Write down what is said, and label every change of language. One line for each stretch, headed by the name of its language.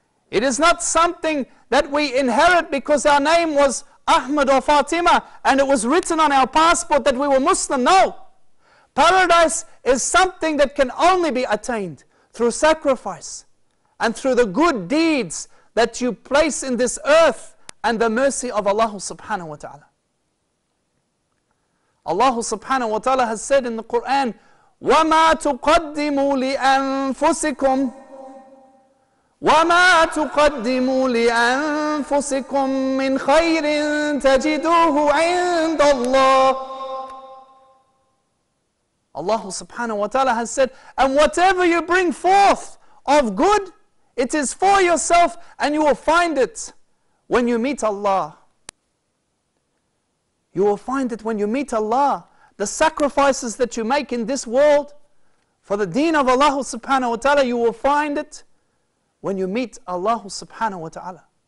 English: It is not something that we inherit because our name was Ahmed or Fatima and it was written on our passport that we were Muslim. No. Paradise is something that can only be attained through sacrifice and through the good deeds that you place in this earth and the mercy of Allah subhanahu wa ta'ala. Allah subhanahu wa ta'ala has said in the Quran,
Arabic: وَمَا تُقَدِّمُوا لِأَنفُسِكُمْ وَمَا تُقَدِّمُوا لِأَنفُسِكُمْ مِنْ خَيْرٍ تَجِدُوهُ عِنْدَ اللَّهِ.
English: Allah subhanahu wa ta'ala has said, and whatever you bring forth of good, it is for yourself and you will find it when you meet Allah. You will find it when you meet Allah. The sacrifices that you make in this world for the deen of Allah subhanahu wa ta'ala, you will find it when you meet Allah subhanahu wa ta'ala.